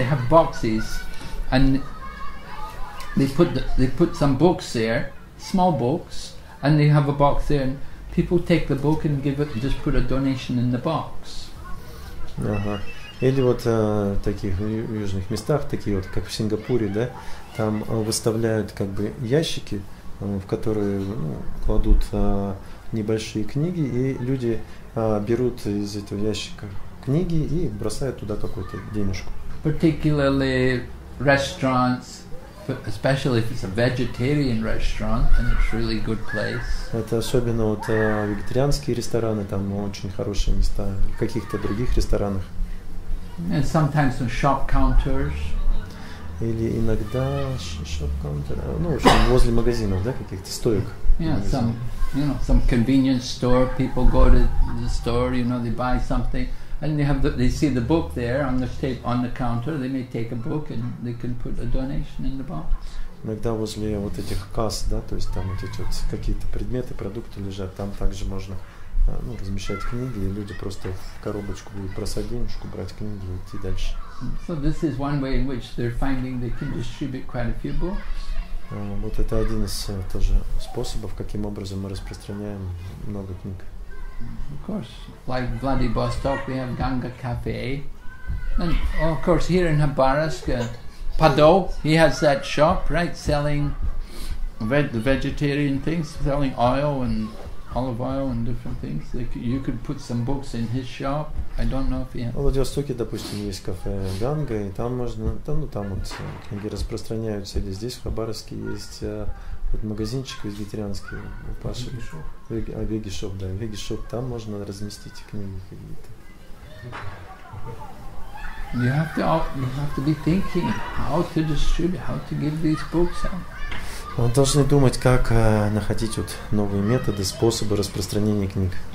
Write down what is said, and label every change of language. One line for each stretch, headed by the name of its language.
English: They have boxes, and they put some books there, small books. And they have a box there, and people take the book and give it, and just put a donation in the box.
Russian: Ага. Или вот таких южных местах, такие вот, как в Сингапуре, да, там выставляют как бы ящики, в которые кладут небольшие книги, и люди берут из этого ящика книги и бросают туда какую-то денежку.
English: Particularly restaurants. Especially if it's a vegetarian restaurant and it's really good place.
Russian: Это особенно вот вегетарианские рестораны, там очень хорошие места, в каких-то других ресторанах.
English: And sometimes some shop counters.
Russian: Или иногда
English: shop counter,
Russian: в общем, возле магазинов, да, каких-то стоек.
English: Yeah, some convenience store. People go to the store, you know, they buy something. And they see the book there on the tape on the counter. They may take a book and they can put a donation in the box.
Russian: Иногда возле вот этих касс, да, то есть там эти вот какие-то предметы, продукты лежат, там также можно размещать книги, и люди просто в коробочку будут бросать денежку, брать книги и идти дальше.
English: So this is one way in which they're finding they can distribute quite a few books.
Russian: Вот это один из тоже способов, каким образом мы распространяем много книг.
English: Of course, like Vladivostok, we have Ganga Cafe, and of course here in Khabarovsk, Pado, he has that shop, right, selling the vegetarian things, selling oil and olive oil and different things. You could put some books in his shop. I don't know if he.
Russian: В Владивостоке, допустим, есть кафе Ганга, и там можно, там вот книги распространяются. Или здесь в Хабаровске есть. Вот магазинчик вегетарианский у Паши. Вегишоп, да. Вегишоп, там можно разместить книги какие-то.
English: You have to be thinking how to distribute, how to give these books out.
Russian: Вы должны думать, как находить вот новые методы, способы распространения книг.